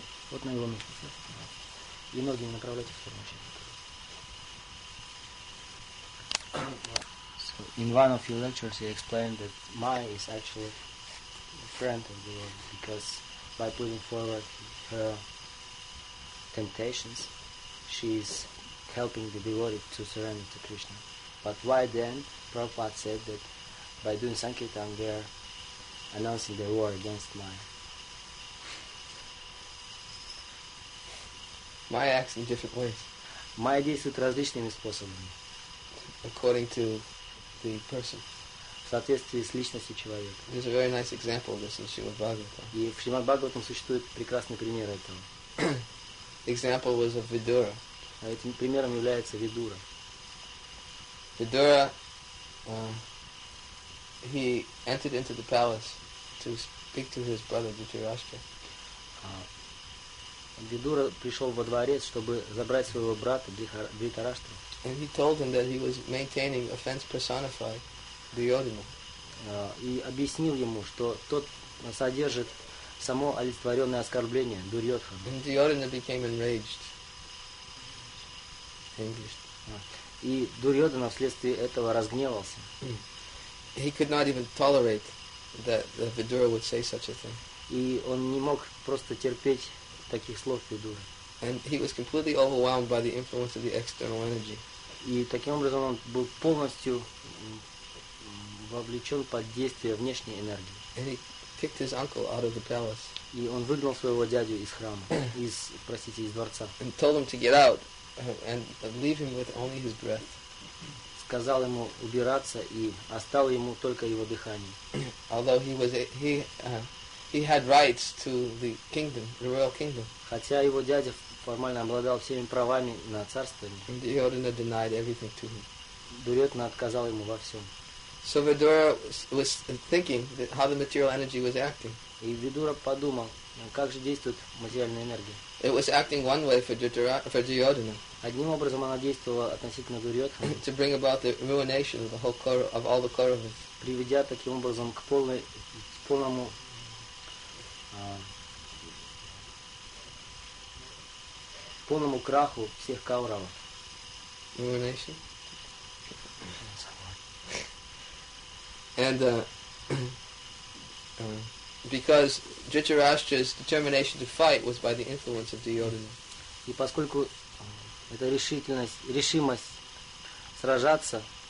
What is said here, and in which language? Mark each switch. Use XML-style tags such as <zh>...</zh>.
<ru>Вот на его место. И ноги не направляйте в сторону человека.</ru> <en>So in one of your lectures you explained that Maya is actually a friend of the Lord because by putting forward her temptations she is helping the devotee to surrender to Krishna. But why then Prabhupada said that by doing Sankirtan they are announcing the war against Maya? Maya acts in different ways.</en> <ru>Maya действует различными способами.</ru> <en>According to the person.</en> <ru>В соответствии с личностью человека.</ru> <en>There's a very nice example of this in Srimad Bhagavatam.</en> <ru>И в Шримад Бхагаватам существует прекрасный пример этого.</ru> <en>Example was of Vidura.</en> <ru>А этим примером является Видура.</ru> <en>Vidura, he entered into the palace to speak to his brother Dhritarashtra.</en> <ru>Vidura пришел во дворец, чтобы забрать своего брата Дхритарашту.</ru> <en>And he told him that he was maintaining offense personified Duryodhana.</en> <ru>И объяснил ему, что тот содержит само олицетворенное оскорбление Дурьотхану.</ru> <en>And Duryodhana became enraged. Enraged.</en> <ru>И Дурьодхана вследствие этого разгневался.</ru> <en>He could not even tolerate that Vidura would say such a thing.</en> <ru>И он не мог просто терпеть таких слов Vidura.</ru> <en>And he was completely overwhelmed by the influence of the external energy.</en> <ru>И таким образом он был полностью вовлечен под действие внешней энергии.</ru> <en>And he kicked his uncle out of the palace.</en> <ru>И он выгнал своего дядю из храма, из дворца.</ru> <en>And told him to get out and leave him with only his breath.</en> <ru>Сказал ему убираться и оставил ему только его дыхание.</ru> <en>Although he had rights to the kingdom, the royal kingdom.</en> <ru>Хотя его дядя формально обладал всеми правами на царствование.</ru> <en>And Duryodhana denied everything to him.</en> <ru>Дурьотхана отказал ему во всем.</ru> <en>So Vidura was thinking that how the material energy was acting.</en> <ru>И Vidura подумал, как же действует материальная энергия.</ru> <en>It was acting one way for Duryodhana.</en> <ru>Одним образом она действовала относительно Дурьотхана.</ru> <en>To bring about the ruination of the whole of all the Kauravas.</en> <ru>Приведя таким образом к полному полному краху всех Кауравов.</ru> <en>Ruination. And because Dhritarashtra's determination to fight was by the influence of Duryodhana.</en> <ru>И поскольку эта решимость сражаться,</ru>